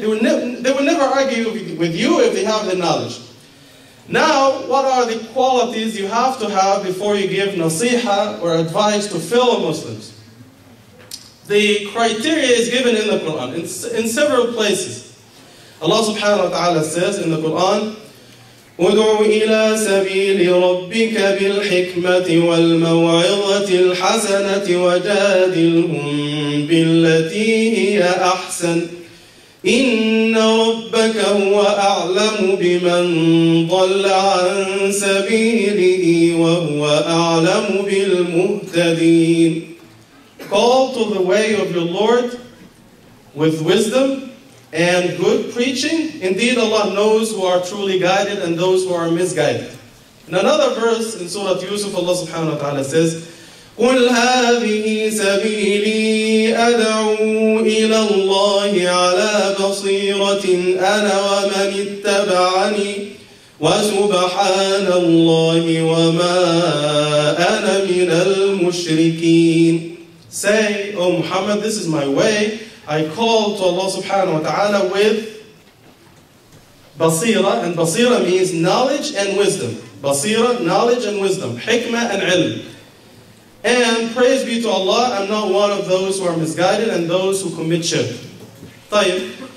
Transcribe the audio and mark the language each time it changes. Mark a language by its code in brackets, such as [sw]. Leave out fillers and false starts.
[en] They will never argue with you if they have the knowledge. Now, what are the qualities you have to have before you give nasiha or advice to fellow Muslims? The criteria is given in the Quran, in several places. Allah subhanahu wa ta'ala says in the Quran, [ar] ودع إلى سبيل ربك بالحكمة والموعظة الحسنة وجادلهم بالتي هي أحسن إن ربك هو أعلم بمن ضل عن سبيله وهو أعلم بالمهتدين. [en] Call to the way of your Lord with wisdom and good preaching. Indeed, Allah knows who are truly guided and those who are misguided. In another verse in Surah Yusuf, Allah subhanahu wa ta'ala says, [ar] قُلْ هَذِهِ سَبِيلِي أَدْعُو إِلَى اللَّهِ عَلَى بَصِيرَةٍ أَنَا وَمَنِ اتَّبَعَنِي وَسُبْحَانَ اللَّهِ وَمَا أَنَا مِنَ الْمُشْرِكِينَ. [en] Say, O Muhammad, this is my way. I call to Allah subhanahu wa ta'ala with basira, and basira means knowledge and wisdom. Basira, knowledge and wisdom. Hikmah and ilm. And praise be to Allah, I'm not one of those who are misguided and those who commit shirk. Tayyib.